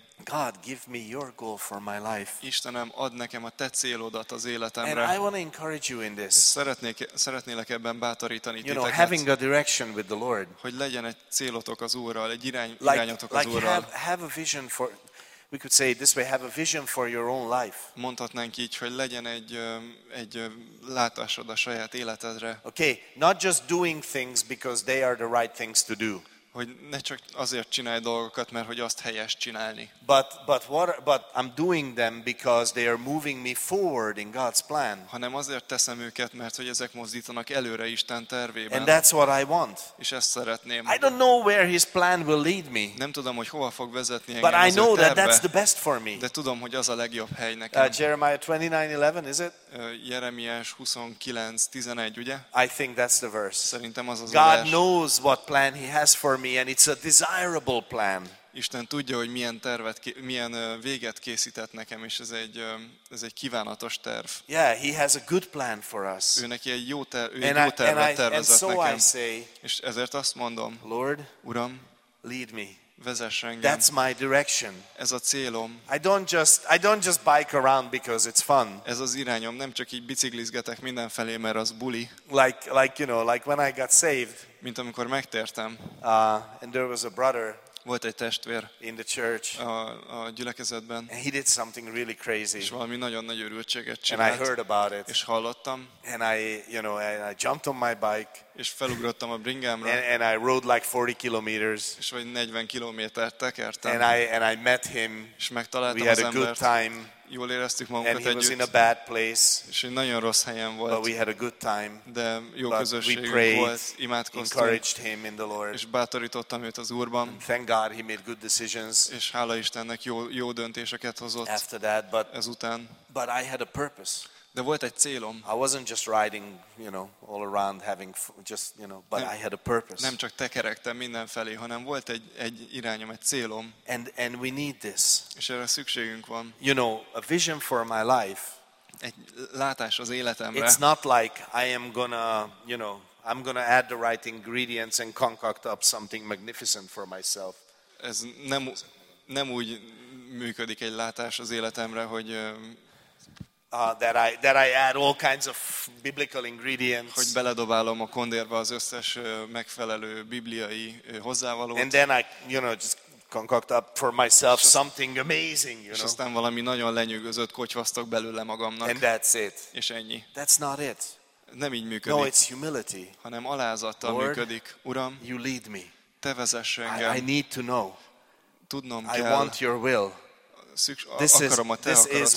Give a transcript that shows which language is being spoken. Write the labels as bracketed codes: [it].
[en] God, give me your goal for my life. [hu] Istenem, add nekem a te célodat az életemre. [en] And I want to encourage you in this. [hu] Szeretnélek ebben bátorítani titeket. [en] You know, having a direction with the Lord. [hu] Hogy legyen egy célotok az Úrral, egy irányotok az Úrral. [en] Have a vision for, we could say it this way, have a vision for your own life. [hu] Mondhatnánk így, hogy legyen egy látásod a saját életedre. [en] Okay, not just doing things because they are the right things to do. [hu] Hogy ne csak azért csinálj dolgokat, mert hogy azt helyes csinálni. [en] But I'm doing them because they are moving me forward in God's plan. [hu] Hanem azért teszem őket, mert hogy ezek mozdítanak előre Isten tervében. [en] And that's what I want. [hu] És ezt szeretném. [en] I don't know where His plan will lead me. [hu] Nem tudom, hogy hova fog vezetni engem. [en] But I know that that's the best for me. [hu] De tudom, hogy az a legjobb hely nekem. [en] Jeremiah 29:11, is it? [hu] Jeremiás 29:11, ugye? [en] I think that's the verse. [hu] Szerintem az az. [en] God knows what plan He has for me, and it's a desirable plan. [hu] Isten tudja, hogy milyen tervet, milyen véget készített nekem, és ez egy kívánatos terv. [en] Yeah, He has a good plan for us. [hu] Ő neki egy jó tervet tervezett [en] so [hu] nekem. [en] I say, [hu] és ezért azt mondom, [en] Lord, [hu] Uram, [en] lead me. [hu] Vezess engem. [en] That's my direction. [hu] Ez a célom. [en] I don't just bike around because it's fun. [hu] Ez az irányom, nem csak így biciklizgetek mindenfelé, mert az buli. [en] Like you know, like when I got saved. [hu] Mint amikor megtértem. [en] And there was a brother. [hu] Volt egy testvér. [en] In the church. [hu] A gyülekezetben. [en] And he did something really crazy. [hu] És valami nagyon nagy örültséget csinált. [en] And I heard about it. [hu] És hallottam. [en] And I, you know, I jumped on my bike. [hu] És felugrottam a bringámra. [en] And I rode like 40 kilometers. [hu] És vagy 40 kilométert tekertem. [en] And I met him. [hu] És megtaláltam [en] we had [hu] az [en] a good time. [hu] Jól éreztük magunkat együtt. [en] And he was in a bad place. [hu] És egy nagyon rossz helyen volt. [en] But we had a good time. [hu] De jó közösségünk volt. Imádkoztunk. [en] Encouraged him in the Lord. [hu] És bátorítottam őt az Úrban. [en] And thank God he made good decisions. [hu] És hála Istennek jó döntéseket hozott. [en] After that, but [hu] ezután. [en] But I had a purpose. [hu] De volt egy célom. [en] I wasn't just riding, you know, all around having just, you know, but I had a purpose. [hu] Nem csak tekerektem mindenfelé, hanem volt egy irányom, egy célom. [en] And we need this. [hu] És erre szükségünk van. [en] You know, a vision for my life. [hu] Egy látás az életemre. [en] It's not like I am gonna, you know, I'm gonna add the right ingredients and concoct up something magnificent for myself. [hu] Ez nem úgy működik egy látás az életemre, hogy [en] that I add all kinds of biblical ingredients. [hu] Hogy beledobálom a kondérba az összes megfelelő bibliai hozzávalót. [en] And then I, you know, just concoct up for myself something amazing, you know. [hu] És aztán valami nagyon lenyűgözött kocsvasztok belőle magamnak. [en] And that's it. [hu] És ennyi. [en] That's not it. [hu] Nem így működik. [en] No, it's humility. [hu] Hanem alázattal működik. Uram, [en] you lead me. [hu] Te vezess engem. [en] I need to know. [hu] Tudnom kell. [en] I want your will. This is